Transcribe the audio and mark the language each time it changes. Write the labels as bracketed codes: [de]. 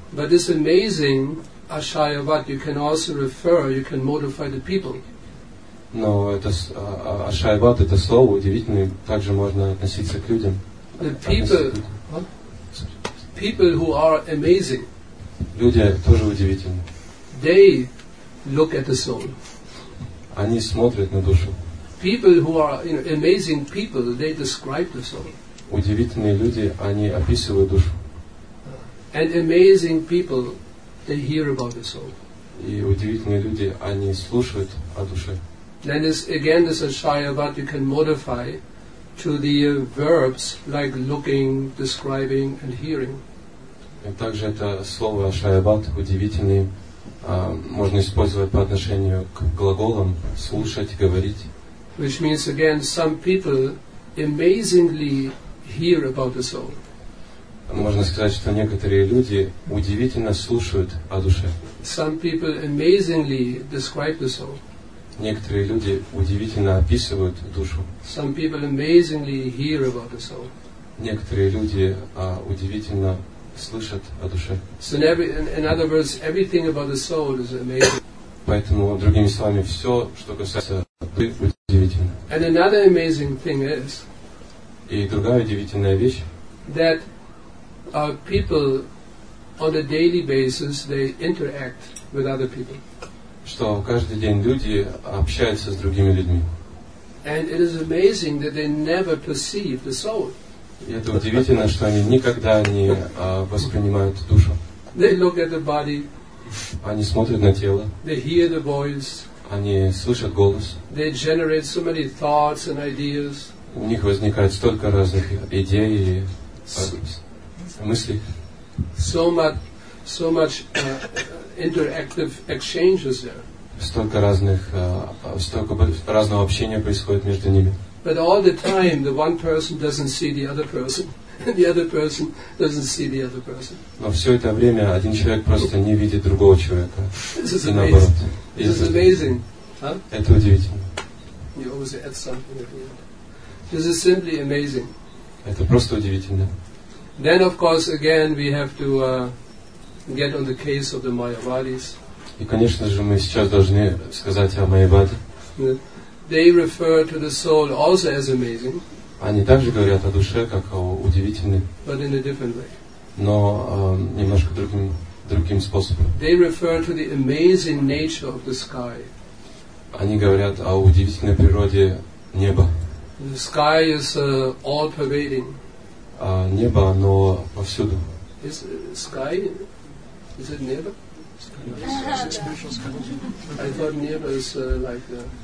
[en] But this amazing ashayavat, you can also refer, you can modify the people. [ru] Но это ashayavat, это слово удивительное, также можно относиться к людям. [en] The people, people who are amazing. [ru] Люди тоже удивительны. [en] They look at the soul. [ru] Они смотрят на душу. [en] People who are, you know, amazing people, they describe the soul. [ru] Удивительные люди, они описывают душу. [en] And amazing people, they hear about the soul. [ru] И удивительные люди, они слушают о душе. [en] Then this, again, this ashayavat you can modify to the verbs like looking, describing, and hearing. [ru] И также это слово ashayavat, удивительный, можно использовать по отношению к глаголам слушать, говорить. [en] Which means again, some people amazingly hear about the soul. [ru] Можно сказать, что некоторые люди удивительно слушают о душе. [en] Some people amazingly describe the soul. [ru] Некоторые люди удивительно описывают душу. [en] Some people amazingly hear about the soul. [ru] Некоторые люди удивительно слышат о душе. [en] So in other words, everything about the soul is amazing. [ru] Поэтому другими словами, все, что касается души, удивительно. [en] And another amazing thing is. [ru] И другая удивительная вещь. [en] That people on a daily basis they interact with other people. [ru] Что каждый день люди общаются с другими людьми. [en] And it is amazing that they never perceive the soul. [ru] И это удивительно, что они никогда не воспринимают душу. [en] They look at the body. [ru] Они смотрят на тело. [en] They hear the voice. [ru] Они слышат голос. [en] They generate so many thoughts and ideas. [ru] У них возникает столько разных идей и мыслей. [en] So much interactive exchanges there. [ru] Столько разных, столько разного общения происходит между ними. [en] But all the time, the one person doesn't see the other person, and the other person doesn't see the other person. [ru] Но все это время один человек просто не видит другого человека. [en] This is amazing. This is amazing. [ru] Huh? Это удивительно. [en] You always add something at the end. This is simply amazing. [ru] Это просто удивительно. [en] Then, of course, again, we have to get on the case of the Mayavadis. [ru] И, конечно же, мы сейчас должны сказать о Майяваде. [en] They refer to the soul also as amazing. [ru] Они также говорят о душе как о удивительной. [en] But in a different way. [ru] Но немножко другим способом. [en] They refer to the amazing nature of the sky. [ru] Они говорят о удивительной природе неба. [en] The sky is all pervading. [ru] Небо, оно повсюду. [en] Is sky? Is it небо? I thought небо is like the.